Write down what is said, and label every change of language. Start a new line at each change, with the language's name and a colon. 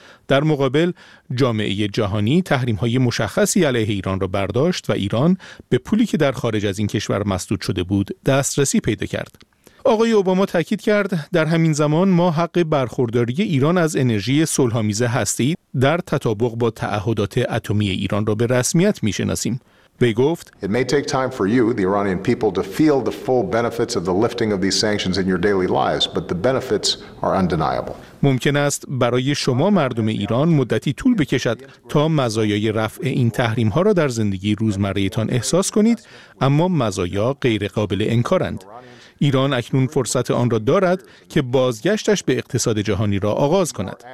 Persian: در مقابل جامعه جهانی تحریم‌های مشخصی علیه ایران را برداشت و ایران به پولی که در خارج از این کشور مسدود شده بود دسترسی پیدا کرد. آقای اوباما تاکید کرد در همین زمان ما حق برخورداری ایران از انرژی صلح‌آمیز هسته‌ای در تطابق با تعهدات اتمی ایران را به رسمیت می‌شناسیم. وی گفت
English: It may take time for you the Iranian people to feel the full benefits of the lifting of these sanctions in your daily lives but the benefits are undeniable.
Persian: ممکن است برای شما مردم ایران مدتی طول بکشد تا مزایای رفع این تحریم ها را در زندگی روزمره تان احساس کنید اما مزایا غیر قابل انکارند. ایران اکنون فرصت آن را دارد که بازگشتش به اقتصاد جهانی را آغاز کند.